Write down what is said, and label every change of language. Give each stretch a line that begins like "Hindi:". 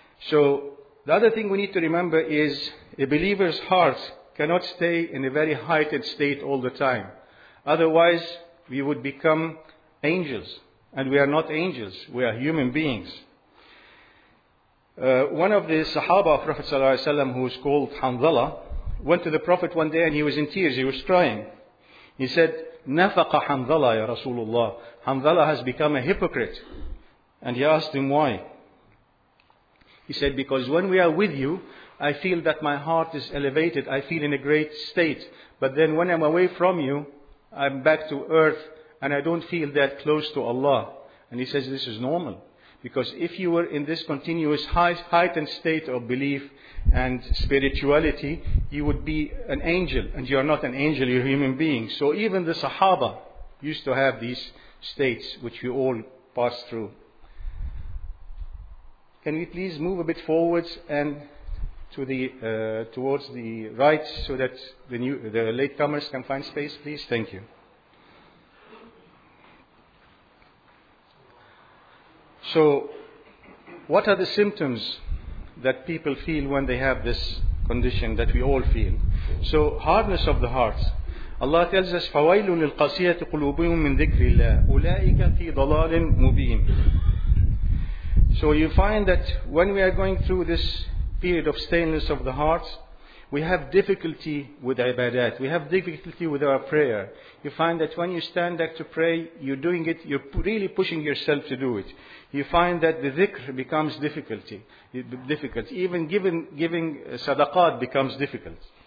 English: So the other thing we need to remember is a believer's heart cannot stay in a very heightened state all the time. Otherwise, we would become angels. And we are not angels, we are human beings. One of the Sahaba of Prophet Sallallahu Alaihi Wasallam, who is called Hanzala, went to the Prophet one day and he was in tears, he was crying. He said,
Arabic: نَفَقَ حَنْظَلَ يَا رَسُولُ اللَّهِ.
English: Hanzala has become a hypocrite. And he asked him why. He said, because when we are with you, I feel that my heart is elevated, I feel in a great state. But then when I'm away from you, I'm back to earth, and I don't feel that close to Allah. And he says, this is normal. Because if you were in this continuous heightened state of belief and spirituality, you would be an angel. And you are not an angel, you're a human being. So even the Sahaba used to have these states, which we all pass through. Can we please move a bit forwards and towards the right so that the latecomers can find space, please? Thank you. So, what are the symptoms that people feel when they have this condition that we all feel? So, hardness of the heart. Allah tells us,
Arabic: فَوَيْلٌ لِلْقَاسِيَةِ قُلُوبِهِمْ مِنْ ذِكْرِ اللَّهِ أُولَٰئِكَ فِي ضَلَالٍ مُبِينٍ.
English: So, you find that when we are going through this period of stainless of the heart, we have difficulty with ibadat. We have difficulty with our prayer. You find that when you stand up to pray, you're doing it, you're really pushing yourself to do it. You find that the dhikr becomes difficult. Even giving sadaqat becomes difficult.